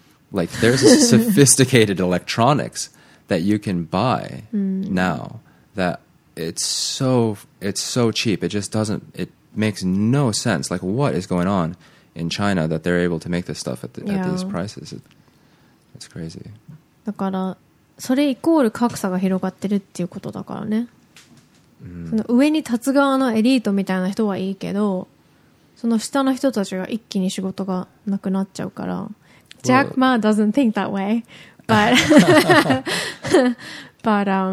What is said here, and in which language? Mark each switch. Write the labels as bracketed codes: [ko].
[en] Like, there's sophisticated electronics that you can buy mm. now that it's so cheap. It just doesn't... It makes no sense. Like, what is going on in China that they're able to make this stuff at, the, yeah. at these prices? It's crazy. [ja] だから、それイコール格差が広がってるっていうことだからね。 Mm. その上に立つ側のエリートみたいな人はいいけど、その下の人たちが一気に仕事がなくなっちゃうから。 [en] Jack Ma doesn't think that way, but but